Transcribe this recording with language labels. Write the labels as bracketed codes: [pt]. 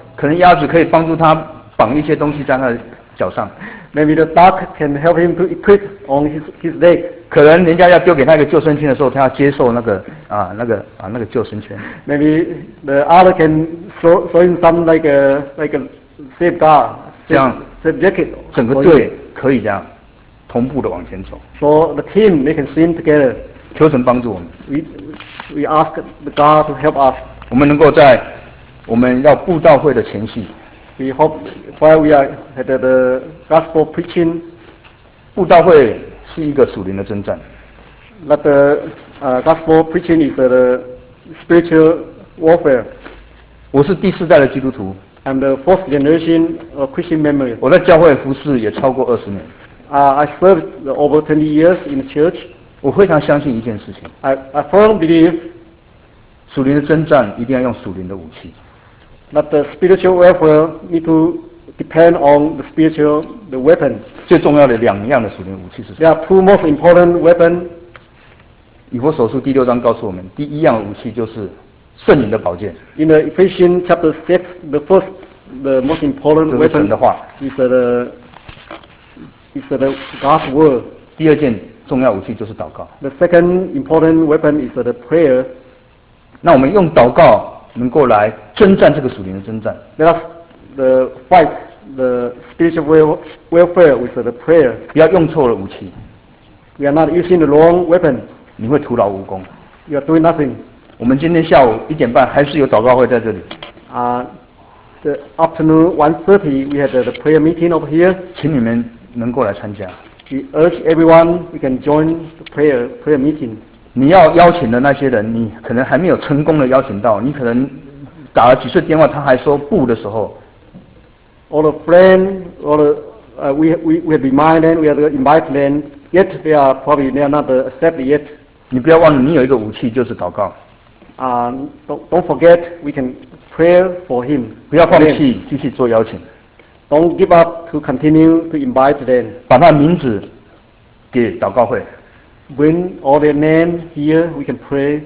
[zh] 可能鸭子可以帮助他绑一些东西在他脚上。 [en] Maybe the duck can help him to equip on his leg. [zh] 可能人家要丢给他一个救生圈的时候，他要接受那个救生圈。 [en] Maybe the other can throw him some like a safe guard. [zh] 这样 [en] safe jacket. [zh] 整个队可以这样同步的往前走。 [en] So the team they can swim together. [zh] 求神帮助我们。 [en] We ask the God to help us. [zh] 我们能够在我们要布道会的前夕 [en] ，We hope while we are at the gospel preaching， [zh] 布道会是一个属灵的征战。 [en] That the gospel preaching is the spiritual warfare。 [zh] 我是第四代的基督徒。 [en] I'm the fourth generation of Christian memory. [zh] 我在教会服事也超过二十年。 [en] I served over 20 years in the church. [zh] 我非常相信一件事情。 [en] I firmly believe [zh] 属灵的征战一定要用属灵的武器。 [en] That the spiritual warfare need to depend on the spiritual the weapon. [zh] 最重要的两样的属灵武器是什么？ [en] There are two most important weapons. [zh] 以弗所书第六章告诉我们，第一样武器就是圣灵的宝剑。 [en] In the Ephesians chapter 6, the first, the most important weapon is the God's word. [zh] 第二件重要武器就是祷告。 [en] The second important weapon is the prayer. [zh] 那我们用祷告能够来征战这个属灵的征战。 [en] Let us the fight the spiritual warfare with the prayer. [zh] 不要用错了武器。 [en] We are not using the wrong weapon. [zh] 你会徒劳无功。 [en] You are doing nothing. [zh] 我们今天下午一点半还是有祷告会在这里。 [en] The afternoon 1:30 we had the prayer meeting over here. [zh] 请你们能够来参加。 [en] We urge everyone we can join the prayer meeting. [zh] 你要邀请的那些人，你可能还没有成功的邀请到，你可能打了几次电话，他还说不的时候。 [en] All the friends, all the we have reminded them, we have invited them, yet they are probably they are not accepted yet. [zh] 你不要忘了，你有一个武器就是祷告。 [en] Don't forget, we can pray for him. [zh] 不要放弃，继续做邀请。 [en] Don't give up to continue to invite them. [zh] 把他名字给祷告会。 [en] Bring all their name here, we can pray.